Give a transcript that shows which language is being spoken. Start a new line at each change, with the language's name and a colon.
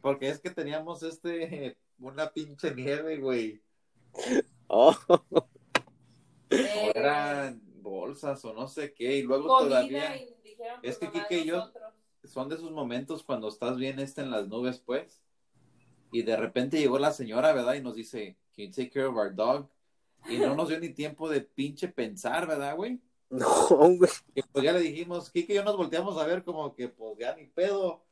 Spanish: porque es que teníamos este... Una pinche nieve, güey. Oh. Eran bolsas o no sé qué. Y luego comida todavía... Y es que Kike y yo son de esos momentos cuando estás bien en las nubes, pues. Y de repente llegó la señora, ¿verdad? Y nos dice,
English: can you take care of our dog?
Spanish: Y no nos dio ni tiempo de pinche pensar, ¿verdad, güey? No, güey. Pues ya le dijimos, Kike y yo nos volteamos a ver como que, pues, ya ni pedo.